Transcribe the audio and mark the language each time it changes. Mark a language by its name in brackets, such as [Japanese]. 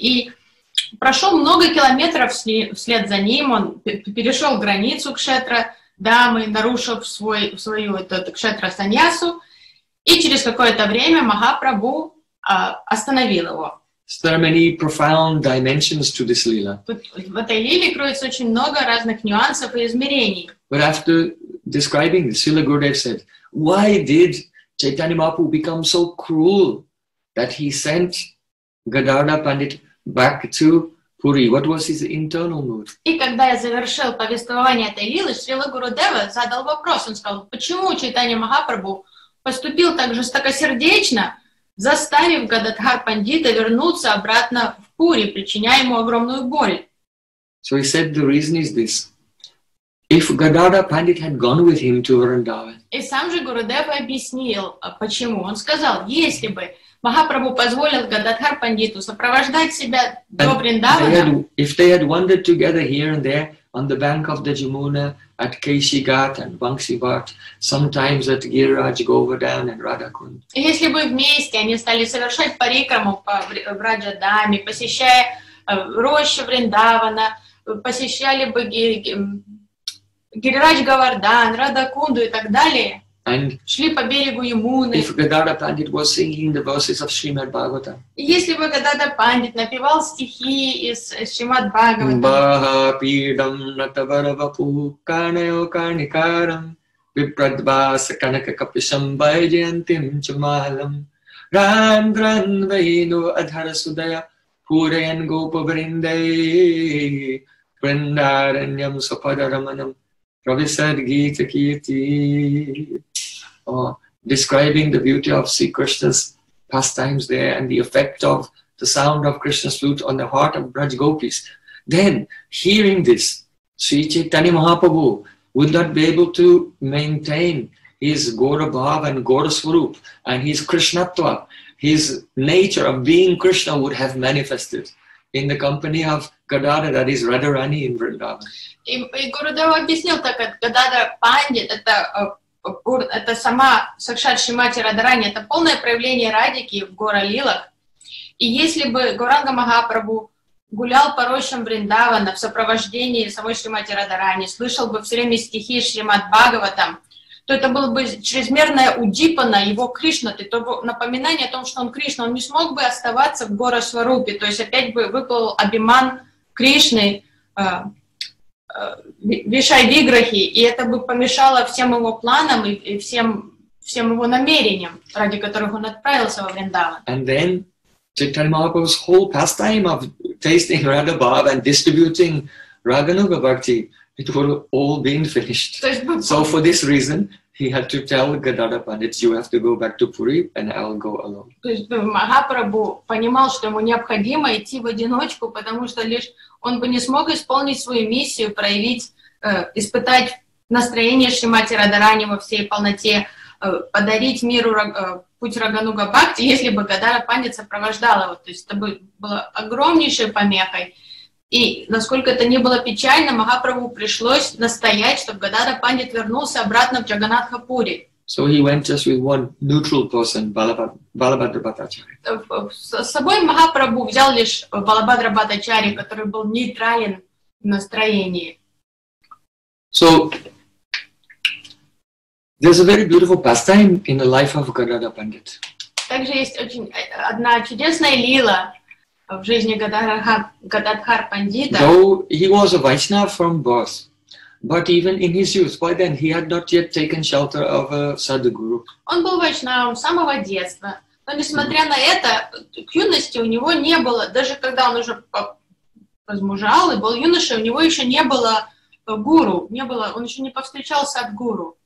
[Russian] И прошел много километров вслед за ним, он перешел границу кшетра дамы, нарушив свою этот кшетра саньясу, и через какое-то время Махапрабху остановил его. [English] There are many profound dimensions to this lila. [Russian] В этой лиле кроется очень много разных нюансов и измерений. [English] But after describing this, Srila Gurudev said, why did Chaitanya Mahaprabhu become so cruel that he sent Gadadhara Pandit back to Puri? What was his internal mood? [Russian] И когда я завершил повествование этой лилы, Шрила Гурудева задал вопрос. Он сказал, почему Чайтанья Махапрабху поступил так жестокосердечно, заставив Гададхар Пандита вернуться обратно в Пури, причиняя ему огромную боль? [English] So he said the reason is this. If Gadadhara Pandit had gone with him to Vrindavan. [Russian] И сам же Гурудева объяснил, почему. Он сказал, если бы Махапрабху позволил Гададхар Пандиту сопровождать себя до Вриндавана. [English] If they had wandered together here and there on the bank of the Jamuna at Keshigat and Bangsibat, sometimes at Giriraj Govardhan and Radhakund. [Russian] Если бы вместе они стали совершать парикраму в Раджадаме, посещая рощи Вриндавана, посещали бы Giriraj Govardhan, Radhakund и так далее. [English] And [Russian] шли по берегу Ямуны. [English] If Gadadhara Pandit was singing the verses of Srimad Bhagavatam. [Russian] Если бы Гададхар Пандит напевал стихи из Шримад Бхагаватам. [Sanskrit] Баха пидам натаварвапу канео карникарам випрадбаса канака капишам байджиантим чумалам рандран вейну адхара судая пуреян гопа вриндей вриндараньям сападараманам Ravisad Gita Kirti, [English] describing the beauty of Sri Krishna's pastimes there and the effect of the sound of Krishna's flute on the heart of Braj Gopis. Then, hearing this, Sri Chaitanya Mahaprabhu would not be able to maintain his Gaura Bhava and Gaura Swarup and his Krishnatva. His nature of being Krishna would have manifested in the company of Gadadhara, that is Radharani in Vrindavan. [Russian] И Гурудева объяснил так, как Гададхара Пандит, это сама Сакшат Шримати Радхарани, это полное проявление Радики в Гора Лилах. И если бы Гауранга Махапрабху гулял по рощам Вриндавана в сопровождении самой Шримати Радхарани, слышал бы все время стихи Шримад Бхагаватам, то это было бы чрезмерное удипана его Кришна, то напоминание о том, что он Кришна, он не смог бы оставаться в Гора Сварупе, то есть опять бы выплыл Абиман Кришны, Вишай Виграхи, и это бы помешало всем его планам и всем его намерениям, ради которых он отправился во Вриндаван. [English] And then Chaitanya Mahaprabhu's whole pastime of tasting Radha Bhava and distributing Raganuga Bhakti, it would have all been finished. So for this reason, he had to tell Gadadhara Pandit, you have to go back to Puri and I'll go alone. [Russian] То есть Махапрабху понимал, что ему необходимо идти в одиночку, потому что лишь он бы не смог исполнить свою миссию, проявить, испытать настроение Шримати Радхарани во всей полноте, подарить миру путь Рагануга Бхакти, если бы Гадара Пандит сопровождал его. То есть это бы было огромнейшей помехой. И насколько это не было печально, Махапрабху пришлось настоять, чтобы Гадара Пандит вернулся обратно в Джаганатха Пури. [English] So he went just with one neutral person, Balabhadra Bhattacharya. [Russian] С собой Махапрабху взял лишь Балабхадра Бхаттачарья, который был нейтрален в настроении. [English] So, there's a very beautiful pastime in the life of Gadadhara Pandit. [Russian] Также есть одна чудесная лила в жизни Гададхар Пандита. [English] Though he was a Vaishnava from birth, but even in his youth, by then he had not yet taken shelter of a sadhguru. [Russian] Он был Вайшнавом с самого детства, но несмотря на это, к юности у него не было, даже когда он уже возмужал и был юношей, у него еще не было гуру, не было, он еще не повстречал садхгуру.